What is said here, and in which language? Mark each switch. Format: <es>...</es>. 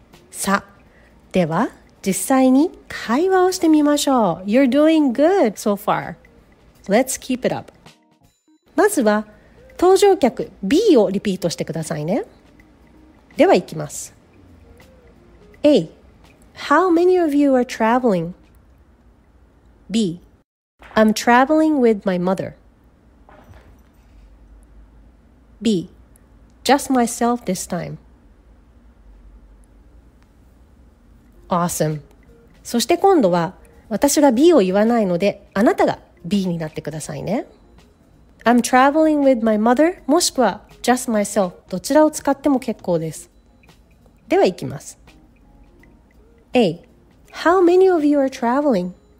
<ja>さ、では、実際に会話をしてみましょう。</ja> <en>You're doing good so far. Let's keep it up.</en> <ja>まずは、搭乗客 B をリピートしてくださいね。では、いきます。A.</ja> <en>How many of you are traveling? B. I'm traveling with my mother. B. Just myself this time. Awesome.</en> <ja>そして今度は私が B を言わないのであなたが B になってくださいね。</ja> <en>I'm traveling with my mother</en> <ja>もしくは</ja> <en>just myself</en> <ja>どちらを使っても結構です。では行きます。</ja> <en>A. How many of you are traveling?</en>